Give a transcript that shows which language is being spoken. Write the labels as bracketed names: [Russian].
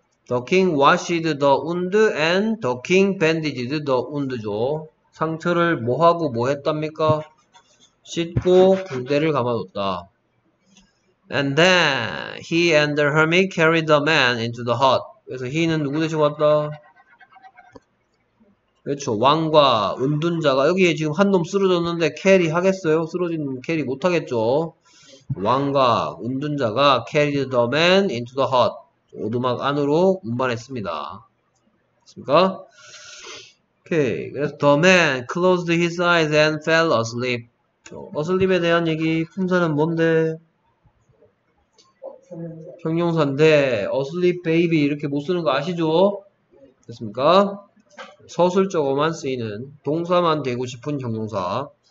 [English] The king washed the wound and the king bandaged the wound죠. [Korean] 상처를 뭐하고 뭐 했답니까? 씻고 붕대를 감아뒀다. [English] And then he and the hermit carried the man into the hut. [Korean] 그래서 he는 누구 대신 왔다? 그렇죠. 왕과 은둔자가 여기에 지금 한놈 쓰러졌는데 캐리 하겠어요? 쓰러진 캐리 못 하겠죠. 왕과 은둔자가 [English] carried the man into the hut. [Korean] 오두막 안으로 운반했습니다. 맞습니까? 오케이. [English] 그래서 the man closed his eyes and fell asleep. [Korean] 어슬립에 대한 얘기, 품사는 뭔데? 형용사인데, 어슬립 베이비 이렇게 못 쓰는 거 아시죠? 됐습니까? 서술적으로만 쓰이는 동사만 되고 싶은 형용사.